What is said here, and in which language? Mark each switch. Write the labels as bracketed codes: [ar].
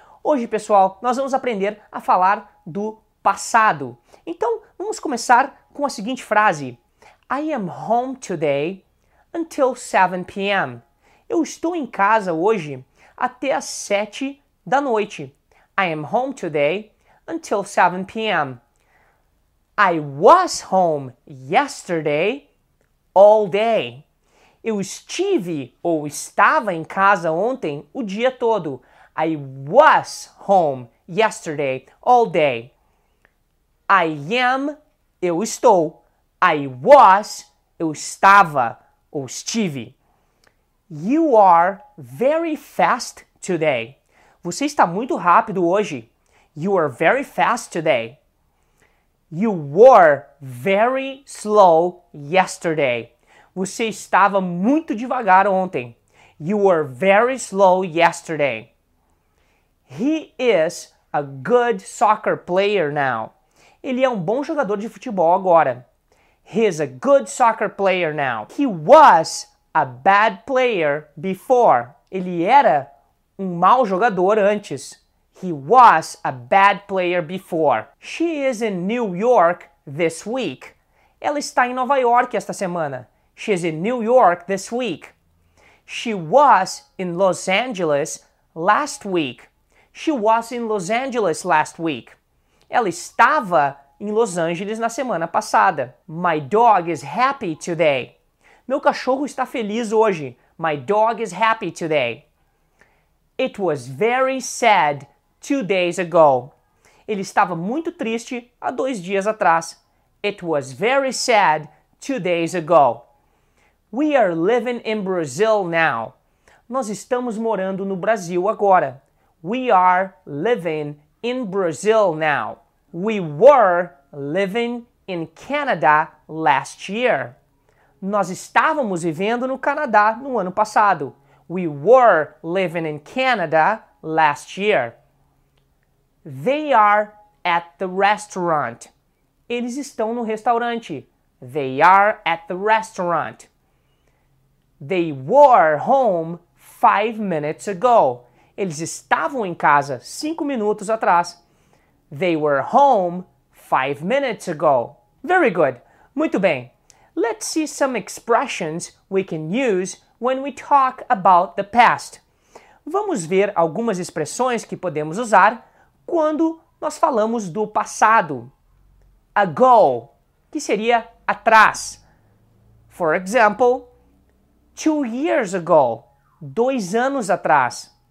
[pt] Hoje, pessoal, nós vamos aprender a falar do passado. Então, vamos começar com a seguinte frase. [en] I am home today until 7 p.m. [pt] Eu estou em casa hoje até as 7 da noite. [en] I am home today until 7 p.m. I was home yesterday all day. [pt] Eu estive ou estava em casa ontem o dia todo. [en] I was home yesterday all day. I am, [pt] eu estou. [en] I was, [pt] eu estava ou estive. [en] You are very fast today. [pt] Você está muito rápido hoje. [en] You are very fast today. You were very slow yesterday. [pt] Você estava muito devagar ontem. [en] You were very slow yesterday. He is a good soccer player now. [pt] Ele é um bom jogador de futebol agora. [en] He is a good soccer player now. He was a bad player before. [pt] Ele era um mau jogador antes. [en] He was a bad player before. She is in New York this week. [pt] Ela está em Nova York esta semana. [en] She is in New York this week. She was in Los Angeles last week. She was in Los Angeles last week. [pt] Ela estava em Los Angeles na semana passada. [en] My dog is happy today. [pt] Meu cachorro está feliz hoje. [en] My dog is happy today. It was very sad 2 days ago. [pt] Ele estava muito triste há 2 dias atrás. [en] It was very sad 2 days ago. We are living in Brazil now. [pt] Nós estamos morando no Brasil agora. [en] We are living in Brazil now. We were living in Canada last year. [pt] Nós estávamos vivendo no Canadá no ano passado. [en] We were living in Canada last year. They are at the restaurant. [pt] Eles estão no restaurante. [en] They are at the restaurant. They were home 5 minutes ago. [pt] Eles estavam em casa 5 minutos atrás. [en] They were home 5 minutes ago. Very good. [pt] Muito bem. [en] Let's see some expressions we can use when we talk about the past. [pt] Vamos ver algumas expressões que podemos usar quando nós falamos do passado. [en] Ago, [pt] que seria atrás. [en] For example, 2 years ago, [pt] 2 anos atrás.